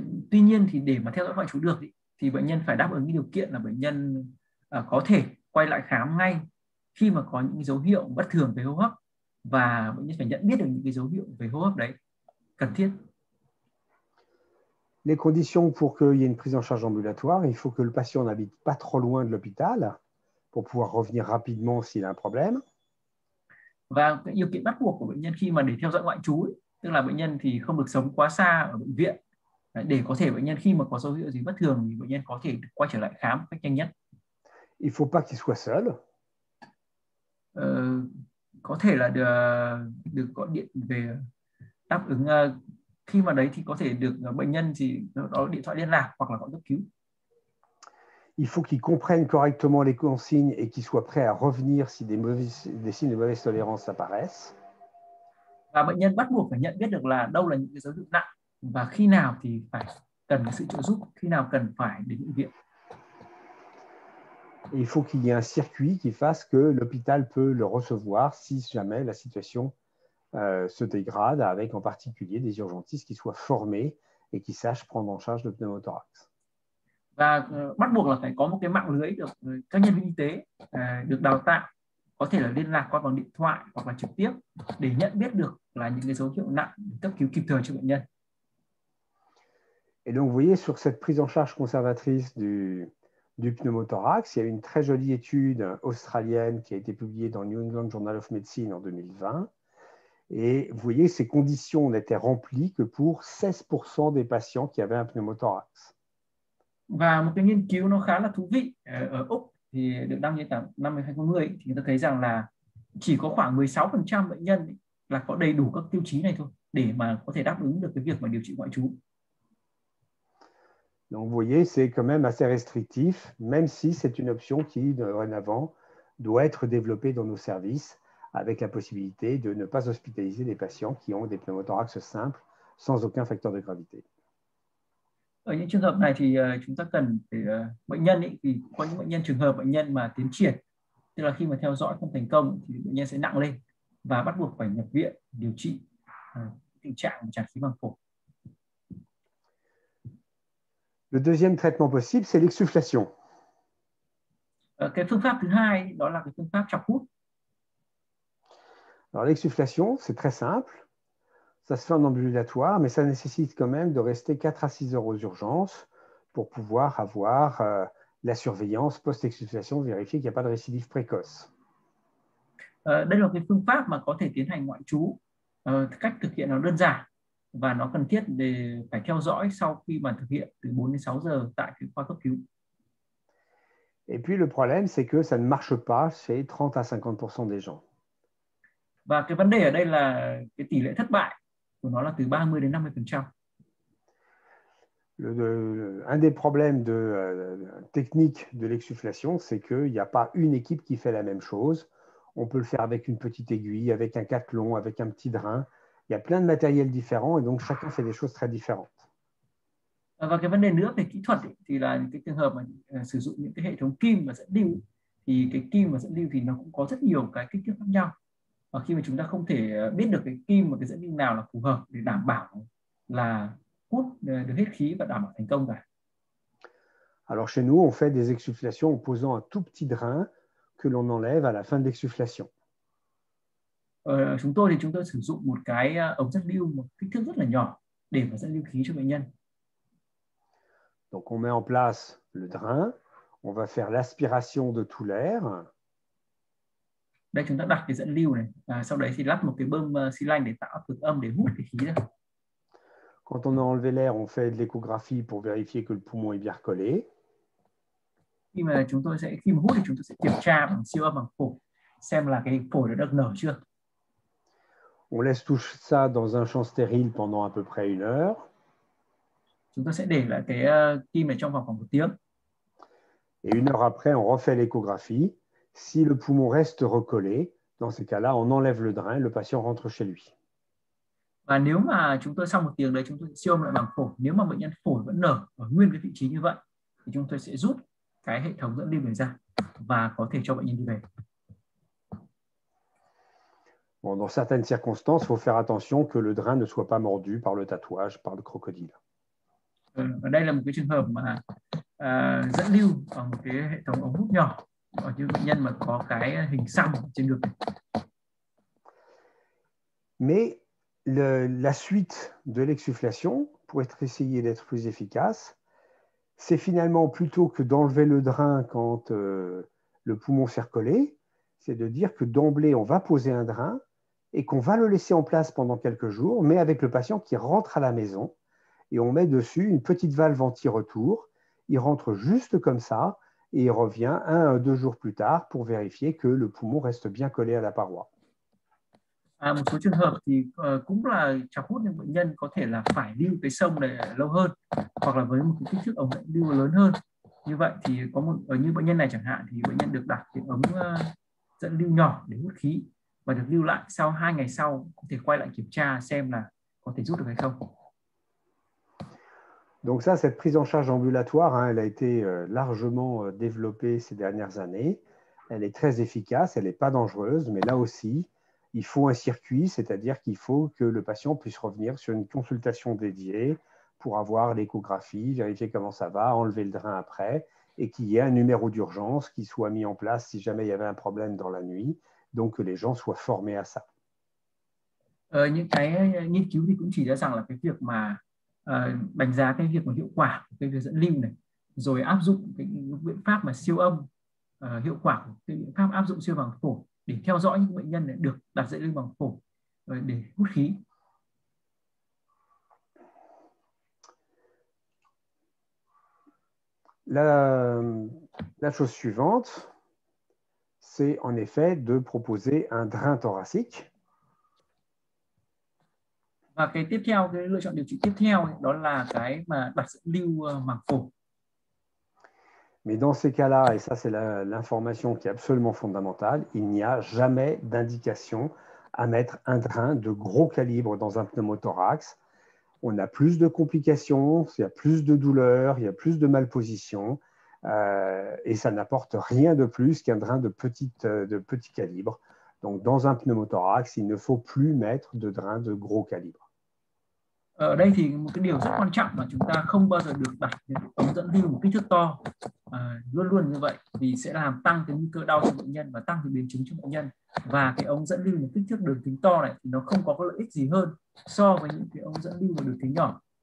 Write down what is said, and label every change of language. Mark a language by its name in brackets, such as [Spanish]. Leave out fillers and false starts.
[Vietnamese] Tuy nhiên thì để mà theo dõi ngoại trú được thì bệnh nhân phải đáp ứng cái điều kiện là bệnh nhân có thể quay lại khám ngay khi mà có những dấu hiệu bất thường về hô hấp và bệnh nhân phải nhận biết được những cái dấu hiệu về hô hấp đấy cần thiết. [French] Les conditions pour qu'il y ait une prise en charge ambulatoire, il faut que le patient n'habite pas trop loin de l'hôpital pour pouvoir revenir rapidement s'il a un problème. [Vietnamese] Và cái điều kiện bắt buộc của bệnh nhân khi mà để theo dõi ngoại trú ấy, tức là bệnh nhân thì không được sống quá xa ở bệnh viện để có thể bệnh nhân khi mà có dấu hiệu gì bất thường thì bệnh nhân có thể quay trở lại khám một cách nhanh nhất. [French] Il faut pas qu'il soit seul. [Vietnamese] Có thể là được gọi điện về đáp ứng khi mà đấy thì có thể được bệnh nhân thì có điện thoại liên lạc hoặc là gọi cấp cứu. [French] Il faut qu'il comprenne correctement les consignes et qu'il soit prêt à revenir si des signes de mauvaise tolérance apparaissent. [Vietnamese] Và bệnh nhân bắt buộc phải nhận biết được là đâu là những cái dấu hiệu nặng và khi nào thì phải cần sự trợ giúp, khi nào cần phải đến bệnh viện. [French] Il faut qu'il y ait un circuit qui fasse que l'hôpital peut le recevoir si jamais la situation se dégrade, avec en particulier des urgentistes qui soient formés et qui sachent prendre en charge le pneumothorax. [Vietnamese] Và bắt buộc là phải có một cái mạng lưới được các nhân viên y tế được đào tạo, có thể là liên lạc qua bằng điện thoại hoặc là trực tiếp để nhận biết được là những cái dấu hiệu nặng để cấp cứu kịp thời cho bệnh nhân. [French] Et donc, vous voyez, sur cette prise en charge conservatrice du pneumothorax, il y a une très jolie étude australienne qui a été publiée dans le New England Journal of Medicine en 2020. Et vous voyez, ces conditions n'étaient remplies que pour 16% des patients qui avaient un pneumothorax. [Vietnamese] Và một cái nghiên cứu nó khá là thú vị ở Úc thì được đăng trên tháng 5 2020 thì người ta thấy rằng là chỉ có khoảng 16% bệnh nhân là có đầy đủ các tiêu chí này thôi để mà có thể đáp ứng được cái việc mà điều trị ngoại trú. [French] Donc, vous voyez, c'est quand même assez restrictif, même si c'est une option qui, dorénavant, doit être développée dans nos services, avec la possibilité de ne pas hospitaliser des patients qui ont des pneumothorax simples, sans aucun facteur de gravité. [Vietnamese] Ở những trường hợp này thì chúng ta cần phải, bệnh nhân ấy, thì có những bệnh nhân trường hợp bệnh nhân mà tiến triển, tức là khi mà theo dõi không thành công thì bệnh nhân sẽ nặng lên và bắt buộc phải nhập viện điều trị tình trạng tràn khí màng phổi. [French] Le deuxième traitement possible, c'est l'exsufflation. [Vietnamese] Cái phương pháp thứ hai đó là cái phương pháp chọc hút. [French] Alors l'exsufflation, c'est très simple. Ça se fait en ambulatoire, mais ça nécessite quand même de rester 4 à 6 heures aux urgences pour pouvoir avoir la surveillance post-exsufflation, vérifier qu'il n'y a pas de récidive précoce. [Vietnamese] Đây là cái phương pháp mà có thể tiến hành ngoại trú. Cách thực hiện nó đơn giản và nó cần thiết để phải theo dõi sau khi mà thực hiện từ 4 đến 6 giờ tại cái khoa cấp cứu. [French] Et puis le problème, c'est que ça ne marche pas chez 30 à 50% des gens. [Vietnamese] Và cái vấn đề ở đây là cái tỷ lệ thất bại của nó là từ 30 đến 50%. [French] Un des problèmes de technique de l'exsufflation, c'est qu'il n'y a pas une équipe qui fait la même chose. On peut le faire avec une petite aiguille, avec un cathlon, avec un petit drain. Il y a plein de matériel différent et donc chacun fait des choses très différentes. [Vietnamese] Và cái vấn đề nữa về kỹ thuật ấy, thì là cái trường hợp mà sử dụng những cái hệ thống kim và dẫn lưu thì cái kim và dẫn lưu thì nó cũng có rất nhiều cái kích thước khác nhau. Và khi mà chúng ta không thể biết được cái kim và cái dẫn lưu nào là phù hợp để đảm bảo là hút được hết khí và đảm bảo thành công cả. [French] Alors chez nous, on fait des exsufflations en posant un tout petit drain que l'on enlève à la fin de l'exsufflation. [Vietnamese] Chúng tôi sử dụng một cái ống dẫn lưu một kích thước rất là nhỏ để mà dẫn lưu khí cho bệnh nhân. [French] Donc on met en place le drain, on va faire l'aspiration de tout l'air. [Vietnamese] Đây chúng ta đặt cái dẫn lưu này, sau đấy thì lắp một cái bơm xi lanh để tạo cực âm để hút cái khí ra. [French] Quand on a enlevé l'air, on fait de l'échographie pour vérifier que le poumon est bien recollé. [Vietnamese] Khi mà hút thì chúng tôi sẽ kiểm tra bằng siêu âm bằng phổi xem là cái phổi đã được nở chưa. [French] On laisse tout ça dans un champ stérile pendant à peu près une heure. [Vietnamese] Chúng ta sẽ để lại cái kim này trong vòng khoảng một tiếng. [French] Et une heure après, on refait l'échographie. Si le poumon reste recollé, dans ces cas-là, on enlève le drain, le patient rentre chez lui. [Vietnamese] Và nếu mà chúng tôi sau một tiếng đấy, chúng tôi siêu âm lại bằng phổi. Nếu mà bệnh nhân phổi vẫn nở ở nguyên cái vị trí như vậy, thì chúng tôi sẽ rút cái hệ thống dẫn lưu này ra và có thể cho bệnh nhân đi về. [French] Bon, dans certaines circonstances, il faut faire attention que le drain ne soit pas mordu par le tatouage, par le crocodile. [Vietnamese] Ở đây là một cái trường hợp mà dẫn lưu bằng một cái hệ thống ống hút nhỏ, ở những bệnh nhân mà có cái hình xăm trên ngực. [French] Mais la suite de l'exsufflation, pour être essayé d'être plus efficace, c'est finalement plutôt que d'enlever le drain quand le poumon s'est recollé, c'est de dire que d'emblée, on va poser un drain et qu'on va le laisser en place pendant quelques jours, mais avec le patient qui rentre à la maison et on met dessus une petite valve anti-retour. Il rentre juste comme ça et il revient un ou deux jours plus tard pour vérifier que le poumon reste bien collé à la paroi. [Vietnamese] À một số trường hợp thì cũng là chọc hút, nhưng bệnh nhân có thể là phải lưu cái sông này lâu hơn hoặc là với một cái kích thước ống lưu lớn hơn. Như vậy thì có một ở như bệnh nhân này chẳng hạn thì bệnh nhân được đặt cái ống dẫn lưu nhỏ để hút khí và được lưu lại sau 2 ngày sau có thể quay lại kiểm tra xem là có thể rút được hay không. [French] Donc ça, cette prise en charge ambulatoire, hein, elle a été largement développée ces dernières années. Elle est très efficace, elle n'est pas dangereuse, mais là aussi, il faut un circuit, c'est-à-dire qu'il faut que le patient puisse revenir sur une consultation dédiée pour avoir l'échographie, vérifier comment ça va, enlever le drain après, et qu'il y ait un numéro d'urgence qui soit mis en place si jamais il y avait un problème dans la nuit, donc que les gens soient formés à ça. [Vietnamese] Những cái nghiên cứu thì cũng chỉ ra rằng là cái việc mà đánh giá cái việc mà hiệu quả của cái việc dẫn lưu này, rồi áp dụng cái biện pháp mà siêu âm hiệu quả của cái biện pháp áp dụng siêu âm bằng phổi để theo dõi những bệnh nhân này được đặt dẫn lưu bằng phổi để hút khí. [French] La chose suivante, c'est en effet de proposer un drain thoracique. [Vietnamese] Và cái tiếp theo, cái lựa chọn điều trị tiếp theo đó là cái mà đặt dẫn lưu màng phổi. [French] Mais dans ces cas-là, et ça c'est l'information qui est absolument fondamentale, il n'y a jamais d'indication à mettre un drain de gros calibre dans un pneumothorax. On a plus de complications, il y a plus de douleurs, il y a plus de malpositions, et ça n'apporte rien de plus qu'un drain de petit calibre. Donc, dans un pneumothorax, il ne faut plus mettre de drain de gros calibre. [Vietnamese] Ở đây thì một cái điều rất quan trọng mà chúng ta không bao giờ được đặt ống dẫn lưu một kích thước to, luôn luôn như vậy vì sẽ làm tăng cái nguy cơ đau cho bệnh nhân và tăng cái biến chứng cho bệnh nhân. Và cái ống dẫn lưu một kích thước đường kính to này thì nó không có lợi ích gì hơn so với những cái ống dẫn lưu một đường kính nhỏ.